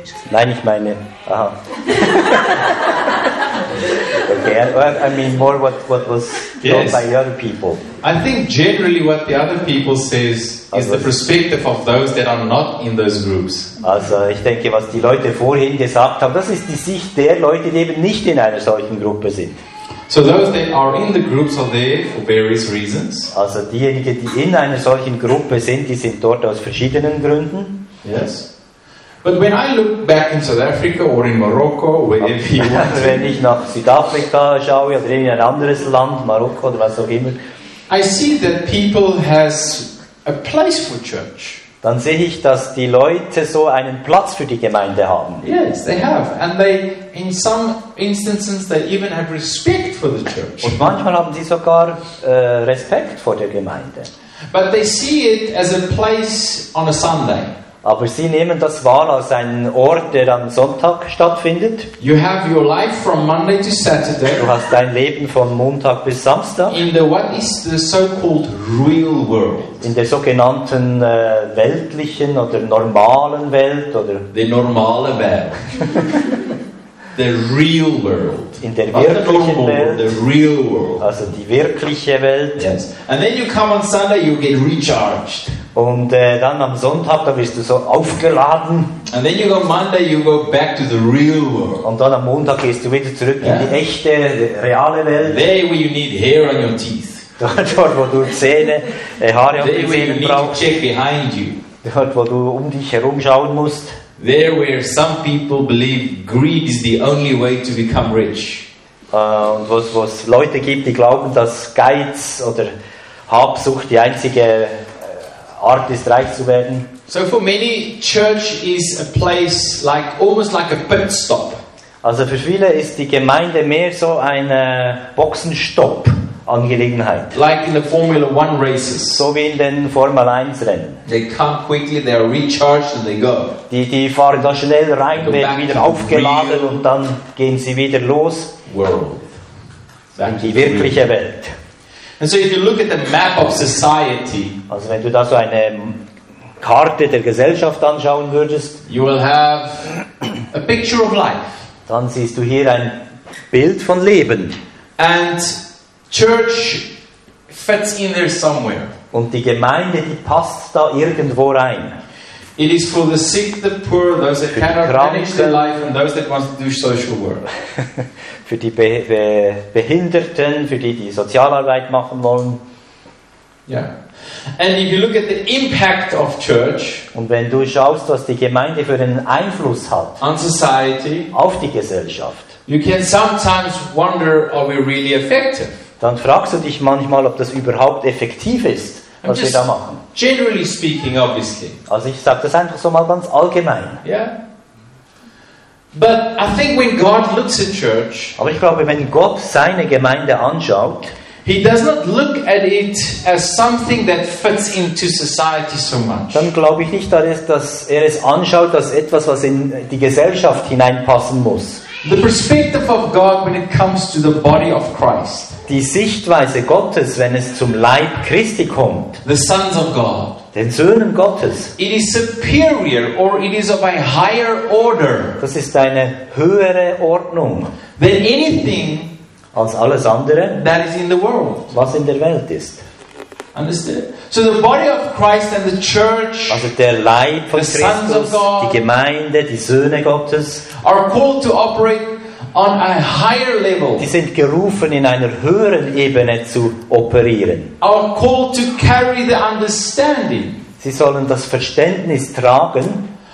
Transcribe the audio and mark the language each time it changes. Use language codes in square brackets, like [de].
[de] Nein, ich meine, [en] I mean more what was told by the other people. I think generally what the other people says is the perspective of those that are not in those groups. [de] Also ich denke, was die Leute vorhin gesagt haben, das ist die Sicht der Leute, die eben nicht in einer solchen Gruppe sind. [en] So those that are in the groups are there for various reasons. [de] Also diejenigen, die in einer solchen Gruppe sind, die sind dort aus verschiedenen Gründen. [en] Yes. But when I look back in South Africa or in Morocco, wherever you want to, [de] wenn ich nach Südafrika schaue oder in ein anderes Land, Marokko oder was auch immer, [en] I see that people has a place for church. [de] Dann sehe ich, dass die Leute so einen Platz für die Gemeinde haben. [en] Yes, they have, and they, in some instances, they even have respect for the church. [de] Und manchmal haben sie sogar Respekt vor der Gemeinde. [en] But they see it as a place on a Sunday. [de] Aber sie nehmen das wahr als einen Ort, der am Sonntag stattfindet. [en] You have your life from Monday to Saturday. [de] Du hast dein Leben von Montag bis Samstag. [en] In the what is the so-called real world. [de] In der sogenannten weltlichen oder normalen Welt oder [en] the [de] normale Welt. [en] The real world. [de] In der wirklichen Welt. [en] The real world. [de] Also die wirkliche Welt. [en] Yes. And then you come on Sunday, you get recharged. [de] Und dann am Sonntag, da wirst du so aufgeladen. [en] And then you go Monday, you go back to the real world. [de] Und dann am Montag gehst du wieder zurück in die echte, reale Welt. [en] There where you need hair on your teeth. [de] Dort, wo du Zähne, Haare auf den Zähnen brauchst. [en] Check behind you. [de] Dort, wo du um dich herum schauen musst. [en] There where some people believe greed is the only way to become rich. [de] Und was Leute gibt, die glauben, dass Geiz oder Habsucht die einzige Art ist, reich zu werden. [en] So for many, church is a place like almost like a pit stop. [de] Also für viele ist die Gemeinde mehr so eine Boxenstopp-Angelegenheit. [en] Like in the Formula One races. [de] So wie in den Formel 1 Rennen. [en] They come quickly, they are recharged and they go. [de] Die fahren da schnell rein, werden wieder aufgeladen und dann gehen sie wieder los. [en] World. [de] In die wirkliche Welt. [en] And so if you look at the map of society, [de] also wenn du da so eine Karte der Gesellschaft anschauen würdest, [en] you will have a picture of life. [de] Dann siehst du hier ein Bild von Leben. [en] And church fits in there somewhere. [de] Und die Gemeinde, die passt da irgendwo rein. [en] It is for the sick, the poor, those that cannot manage their life and those that want to do social work. [de] Für die Behinderten, für die, die Sozialarbeit machen wollen. [en] Yeah. And if you look at the impact of church, [de] und wenn du schaust, was die Gemeinde für einen Einfluss hat [en] on society, [de] auf die Gesellschaft, [en] you can sometimes wonder, are we really effective? [de] Dann fragst du dich manchmal, ob das überhaupt effektiv ist, was wir da machen. [en] Generally speaking, obviously. [de] Also ich sage das einfach so mal ganz allgemein. [en] Yeah. But I think when God looks at church, [de] aber ich glaube, wenn Gott seine Gemeinde anschaut, [en] he does not look at it as something that fits into society so much. [de] Dann glaube ich nicht, dass er es anschaut als etwas, was in die Gesellschaft hineinpassen muss. [en] The perspective of God when it comes to the body of Christ. [de] Die Sichtweise Gottes, wenn es zum Leib Christi kommt. [en] The sons of God. [de] Den Söhnen Gottes. [en] It is superior or it is of a higher order. [de] Das ist eine höhere Ordnung. [en] Than anything [de] als alles andere, [en] that is in the world. [de] Was in der Welt ist. [en] Understood? So the body of Christ and the church, [de] also der Leib von Christus, die Gemeinde, die Söhne Gottes, [en] are called to operate on a higher level. [de] Die sind gerufen, in einer höheren Ebene zu operieren. [en] Are called to carry the understanding. [de] Sie sollen das Verständnis tragen